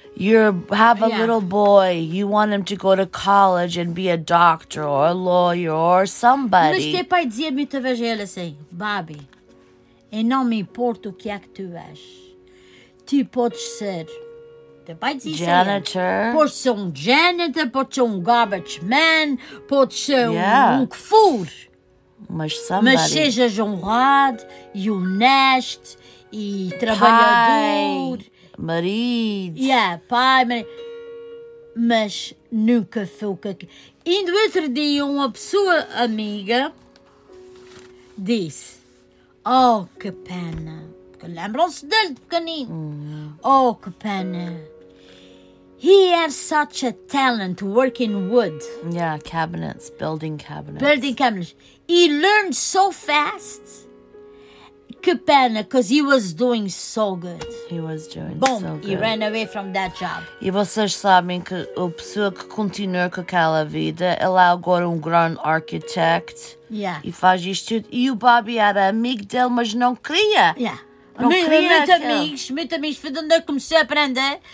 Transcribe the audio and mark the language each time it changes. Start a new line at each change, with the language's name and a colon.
English: you have a little boy, you want him to go to college and be a doctor or a lawyer or somebody.
Portuguese: Mas teu pai dizia muitas vezes a ele assim, Babi, eu não me importo o que é que tu és. Tu podes ser, teu pai dizia
English: janitor.
Portuguese: Assim, podes ser um janitor, podes ser um garbage man, podes ser um que for. Mas somebody. Mas sejas honrado e honesto e trabalhador. Pai. Marido. Yeah, pai, marido. Mas nunca foi o que... Indo outro dia, uma pessoa amiga disse, oh, que pena. Porque lembram-se dele de pequenino. Oh, que pena.
English: He had such a talent working wood. Yeah, cabinets, building cabinets. Building cabinets. He learned so fast. Que pena, because he was doing so good. He was doing Boom, so good. Boom, he ran away from that job.
Portuguese: E vocês sabem que a pessoa que continua com aquela vida, ela é agora um grande arquiteto.
English: Yeah.
Portuguese: E faz isto tudo. E o Bobby era amigo dele, mas não queria.
English: Yeah.
Portuguese: Muitos amigos, foi de onde eu comecei a aprender.